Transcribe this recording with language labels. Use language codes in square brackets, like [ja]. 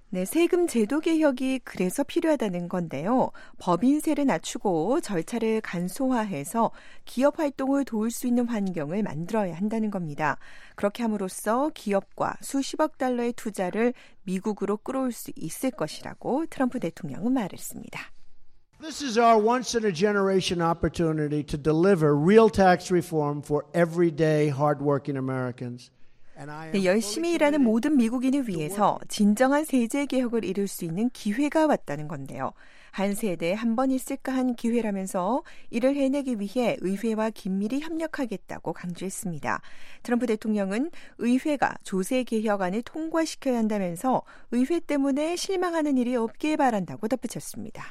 [ko] 네, 세금 제도 개혁이 그래서 필요하다는 건데요. 법인세를 낮추고 절차를 간소화해서 기업 활동을 도울 수 있는 환경을 만들어야 한다는 겁니다. 그렇게 함으로써 기업과 수십억 달러의 투자를 미국으로 끌어올 수 있을 것이라고 트럼프 대통령은 말했습니다. [en] This is our once in a generation opportunity to deliver real tax reform for everyday hardworking Americans. [ko] 네, 열심히 일하는 모든 미국인을 위해서 진정한 세제 개혁을 이룰 수 있는 기회가 왔다는 건데요. 한 세대에 한 번 있을까 한 기회라면서 이를 해내기 위해 의회와 긴밀히 협력하겠다고 강조했습니다. 트럼프 대통령은 의회가 조세 개혁안을 통과시켜야 한다면서 의회 때문에 실망하는 일이 없길 바란다고 덧붙였습니다.